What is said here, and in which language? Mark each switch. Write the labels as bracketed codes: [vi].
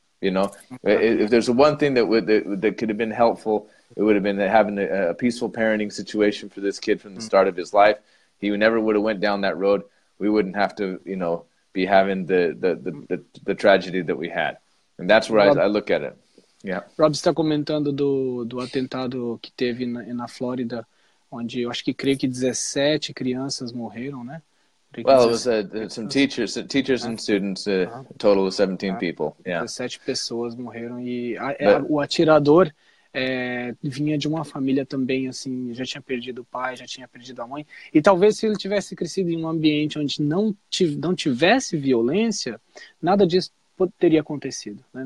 [en] You know, if there's one thing that could have been helpful, it would have been having a peaceful parenting situation for this kid from the start of his life. He never would have went down that road. We wouldn't have to, you know, be having the tragedy that we had. And that's where I look at it. Yeah. [pt] Rob está comentando do atentado que teve na Flórida, onde eu acho que creio que 17 crianças morreram, né? [en] Well, it was some teachers and students, a total of 17 people. Yeah. [pt] 17 pessoas morreram e o atirador vinha de uma família também, assim, já tinha perdido o pai, já tinha perdido a mãe. E talvez se ele tivesse crescido em um ambiente onde não tivesse violência, nada disso teria acontecido, né?